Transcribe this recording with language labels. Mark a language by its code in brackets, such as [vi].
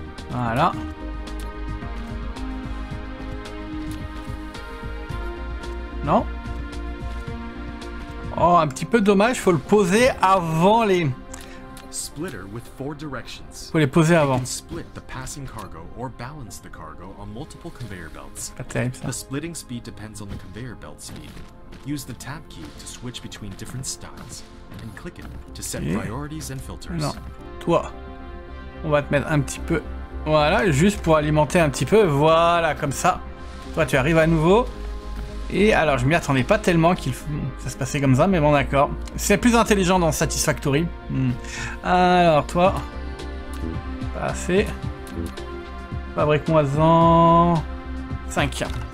[fr] Voilà. Non. Oh, un petit peu dommage, faut le poser avant les... [en] Splitter with four directions. [fr] Faut les poser avant. [en] Split the passing cargo or balance the cargo on multiple conveyor belts. The splitting speed depends on the conveyor belt speed. Use the tab key to switch between different styles and click it to set priorities and filters. [fr] Non. Toi. On va te mettre un petit peu. Voilà, juste pour alimenter un petit peu. Voilà, comme ça. Toi, tu arrives à nouveau. Et alors, je m'y attendais pas tellement qu'il ça se passait comme ça, mais bon, d'accord. C'est plus intelligent dans Satisfactory. Alors, toi. Pas assez. Fabrique-moi-en... 5.